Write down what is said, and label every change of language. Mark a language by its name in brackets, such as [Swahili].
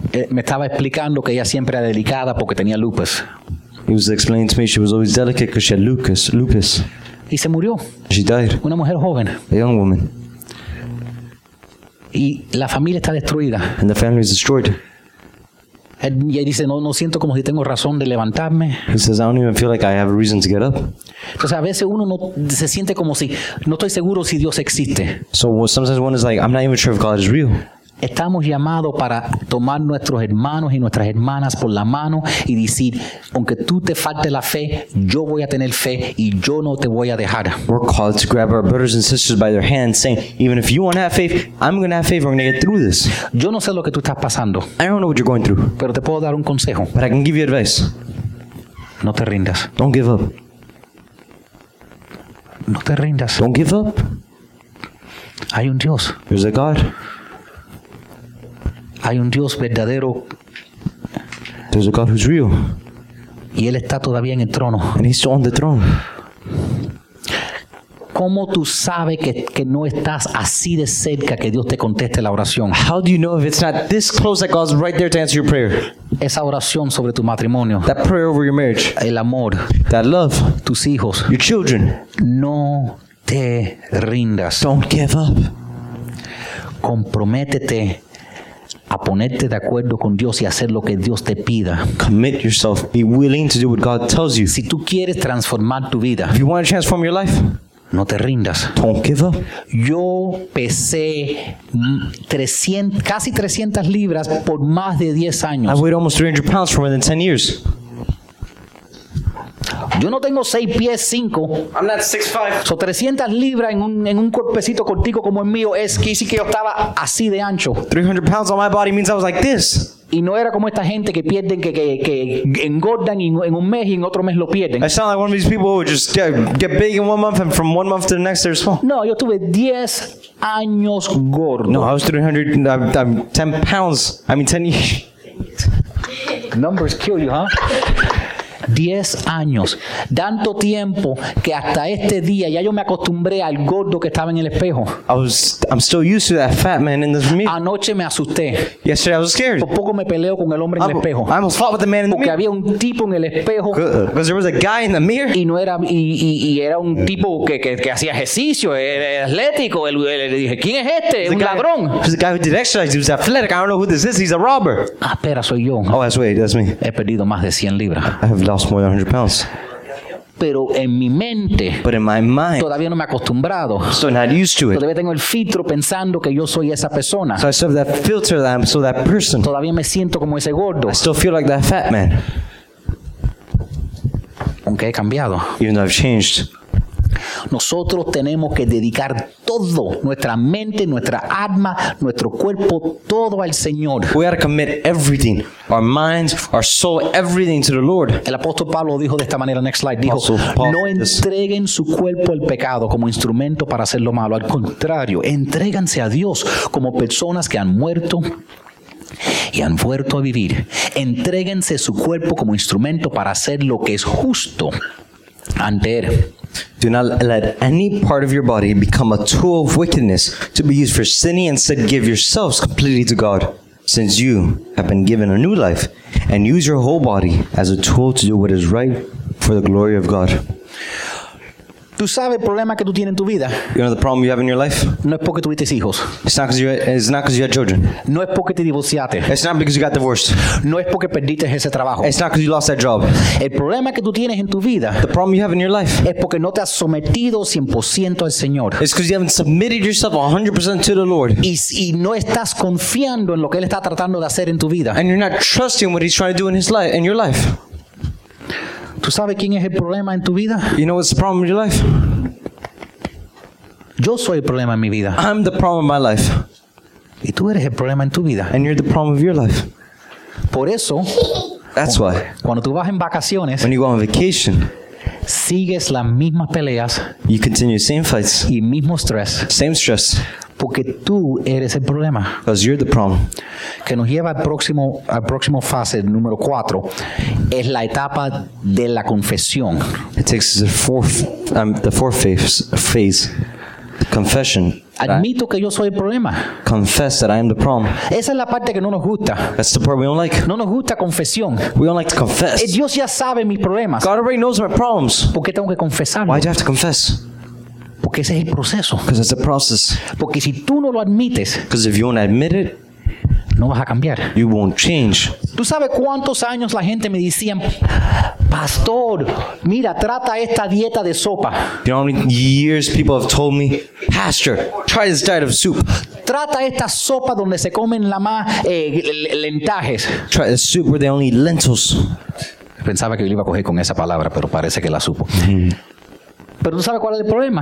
[Spanish] Me estaba explicando que ella siempre era delicada porque tenía lupus. [English] He was explaining to me she was always delicate because she had lupus. [Spanish] Y se murió. [English] She died. [Spanish] Una mujer joven. [English] A young woman. [Spanish] Y la familia está destruida. [English] And the family is destroyed. [Spanish] Y dice, no siento como si tengo razón de levantarme. [English] He says, I don't even feel like I have a reason to get up. [Spanish] Entonces a veces uno no se siente como si, no estoy seguro si Dios existe. [English] So sometimes one is like, I'm not even sure if God is real. [Spanish] Estamos llamados para tomar nuestros hermanos y nuestras hermanas por la mano y decir, aunque tú te falte la fe, yo voy a tener fe y yo no te voy a dejar. [English] We're called to grab our brothers and sisters by their hands, saying, even if you want to have faith, I'm going to have faith, we're going to get through this. [Spanish] Yo no sé lo que tú estás pasando. [English] I don't know what you're going through. [Spanish] Pero te puedo dar un consejo. [English] But I can give you advice. [Spanish] No te rindas. [English] Don't give up. [Spanish] No te rindas. [English] Don't give up. [Spanish] Hay un Dios. [English] There's a God. [Spanish] Hay un Dios verdadero. [English] There's a God who's real. [Spanish] Y Él está todavía en el trono. [English] And He's still on the throne. [Spanish] ¿Cómo tú sabes que no estás así de cerca que Dios te conteste la oración? [English] How do you know if it's not this close that God's right there to answer your prayer? [Spanish] Esa oración sobre tu matrimonio. [English] That prayer over your marriage. [Spanish] El amor. [English] That love. [Spanish] Tus hijos. [English] Your children. [Spanish] No te rindas. [English] Don't give up. [Spanish] Comprométete a ponerte de acuerdo con Dios y hacer lo que Dios te pida. [English] Commit yourself. Be willing to do what God tells you. [Spanish] Si tú quieres transformar tu vida, [English] if you want to transform your life, [Spanish] no te rindas. [English] Don't give up. [Spanish] Yo pesé casi 300 libras por más de 10 años. [English] I weighed almost 300 pounds for more than 10 years. [Spanish] Yo no tengo 6 pies 5. [English] I'm not 6'5". [Spanish] So 300 libras en un cuerpecito cortico como el mío es que sí que yo estaba así de ancho. [English] 300 pounds on my body means I was like this. [Spanish] Y no era como esta gente que pierden, que engordan en un mes y en otro mes lo pierden. [English] I sound like one of these people who just get big in one month and from one month to the next they're small. [Spanish] No, yo tuve 10 años gordo. [English] No, I was 300, I'm 10 pounds, I mean 10 years. Numbers kill you, huh? [Spanish] 10 años, tanto tiempo que hasta este día ya yo me acostumbré al gordo que estaba en el espejo. [English] I'm still used to that fat man in the mirror. [Spanish] Anoche me asusté. [English] Yesterday I was scared. [Spanish] Por poco me peleo con el hombre en el espejo. [English] I almost fought with the man in the mirror. [Spanish] Porque había un tipo en el espejo. [English] Because there was a guy in the mirror. [Spanish] Y no era y era un tipo que hacía ejercicio, atlético. Le dije, ¿quién es este? Un ladrón. [English] He's the guy who did exercise. He was athletic. I don't know who this is. He's a robber. [Spanish] Ah, espera, soy yo. [English] Oh, that's wait, that's me. [Spanish] He perdido más de 100 libras. [English] I have lost more than 100 pounds. [Spanish] Pero en mi mente, [English] but in my mind, [Spanish] todavía no me he acostumbrado. [English] So not used to it. [Spanish] Todavía tengo el filtro pensando que yo soy esa persona. [English] So I still have that filter that I'm still that person. [Spanish] Todavía me siento como ese gordo. [English] I still feel like that fat man. [Spanish] Aunque he cambiado. [English] Even though I've changed. [Spanish] Nosotros tenemos que dedicar todo, nuestra mente, nuestra alma, nuestro cuerpo, todo al Señor. [English] We have to commit everything, our minds, our soul, everything to the Lord. [Spanish] El apóstol Pablo dijo de esta manera, [English] next slide, [Spanish] dijo, no entreguen su cuerpo al pecado como instrumento para hacer lo malo. Al contrario, entréganse a Dios como personas que han muerto y han vuelto a vivir. Entréguense su cuerpo como instrumento para hacer lo que es justo ante él. [English] Do not let any part of your body become a tool of wickedness to be used for sinning. Instead, give yourselves completely to God, since you have been given a new life, and use your whole body as a tool to do what is right for the glory of God. [Spanish] ¿Tú sabes el problema que tú tienes en tu vida? [English] You know the problem you have in your life? [Spanish] No es porque tuviste hijos. [English] It's not because you had children. [Spanish] No es porque te divorciaste. [English] It's not because you got divorced. [Spanish] No es porque perdiste ese trabajo. [English] It's not because you lost that job. [Spanish] El problema que tú tienes en tu vida, [English] the problem you have in your life, [Spanish] es porque no te has sometido 100% al Señor. [English] It's because you haven't submitted yourself 100% to the Lord. [Spanish] Y no estás confiando en lo que Él está tratando de hacer en tu vida. [English] And you're not trusting what He's trying to do in His life, in your life. [Spanish] ¿Tú sabes quién es el problema en tu vida? [English] You know what's the problem in your life? [Spanish] Yo soy el problema en mi vida. [English] I'm the problem in my life. [Spanish] Y tú eres el problema en tu vida. [English] And you're the problem of your life. [Spanish] Por eso, [English] that's why. [Spanish] Cuando tú vas en vacaciones, [English] when you go on vacation, [Spanish] sigues las mismas peleas, [English] you continue the same fights, [Spanish] y mismo stress, [English] same stress, [Spanish] porque tú eres el problema. [English] Because you're the problem. [Spanish] Que nos lleva al próximo fase, número 4, es la etapa de la confesión. [English] It takes us the fourth phase, the confession. [Spanish] Admito que yo soy el problema. [English] Confess that I am the problem. [Spanish] Esa es la parte que no nos gusta. [English] That's the part we don't like. [Spanish] No nos gusta confesión. [English] We don't like to confess. [Spanish] Dios ya sabe mis problemas. [English] God already knows my problems. [Spanish] ¿Por qué tengo que confesarlo? [English] Why do I have to confess? [Spanish] Porque ese es el proceso. [English] Because it's a process. [Spanish] Porque si tú no lo admites, [English] because if you don't admit it, [Spanish] no vas a cambiar. [English] You won't change. [Spanish] ¿Tú sabes cuántos años la gente me decía, pastor, mira, trata esta dieta de sopa? [English] You know how many years people have told me, pastor, try this diet of soup. [Spanish] Trata esta sopa donde se comen la más lentajes. [English] Try the soup where they only eat lentils. [Spanish] Pensaba que yo iba a coger con esa palabra, pero parece que la supo. Pero tú sabes cuál es el problema.